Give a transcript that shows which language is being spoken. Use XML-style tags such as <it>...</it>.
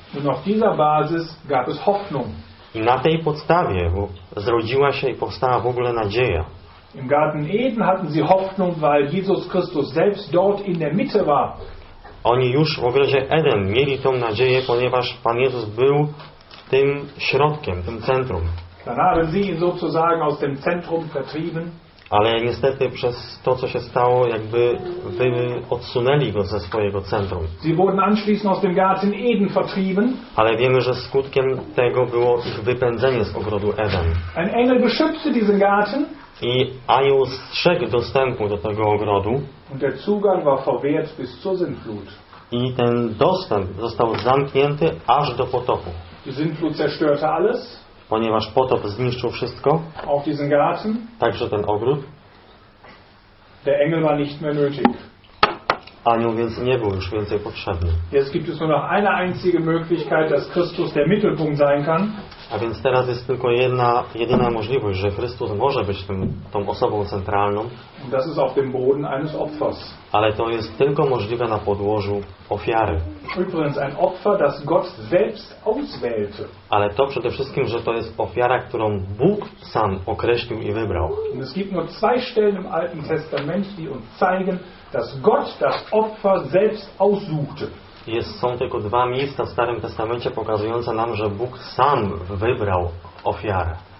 <de>Und auf dieser Basis gab es Hoffnung.</de> <pl>I na tej podstawie zrodziła się i powstała w ogóle nadzieja.</pl> <de>Im Garten Eden hatten sie Hoffnung, weil Jesus Christus selbst dort in der Mitte war.</de> <pl>Oni już w ogrodzie Eden mieli tą nadzieję, ponieważ Pan Jezus był tym środkiem, tym centrum.</pl> <de>Dann haben sie ihn sozusagen aus dem Zentrum vertrieben.</de> <pl>Ale niestety przez to, co się stało, jakby wy odsunęli go ze swojego centrum.</pl> <de>Sie wurden anschließend aus dem Garten Eden vertrieben.</de> <pl>Ale wiemy, że skutkiem tego było ich wypędzenie z ogrodu Eden.</pl> <de>Ein Engel beschützte diesen Garten.</de> <pl>I anioł strzegł dostępu do tego ogrodu.</pl> <de>Und der Zugang war verwehrt bis zur Sintflut.</de> <pl>I ten dostęp został zamknięty aż do potopu.</pl> <de>Die Sintflut zerstörte alles.</de> <pl>Ponieważ potop zniszczył wszystko.</pl> <de>Auch diesen Garten.</de> <pl>Także ten ogród.</pl> <de>Der Engel war nicht mehr nötig.</de> <pl>Anioł więc nie był już więcej potrzebny.</pl> <de>Jetzt gibt es nur noch eine einzige Möglichkeit, dass Christus der Mittelpunkt sein kann.</de> <pl>A więc teraz jest tylko jedyna możliwość, że Chrystus może być tą osobą centralną.</pl> <de>Das ist auf dem Boden eines Opfers.</de> <pl>Ale to jest tylko możliwe na podłożu ofiary.</pl> <de>Übrigens ein Opfer, das Gott selbst auswählte.</de> <pl>Ale to przede wszystkim, że to jest ofiara, którą Bóg sam określił i wybrał.</pl> <de>Und es gibt nur zwei Stellen im Alten Testament, die uns zeigen, dass Gott das Opfer selbst aussuchte.</de> <pl>Są tylko dwa miejsca w Starym Testamencie pokazujące nam, że Bóg sam wybrał ofiarę.</pl>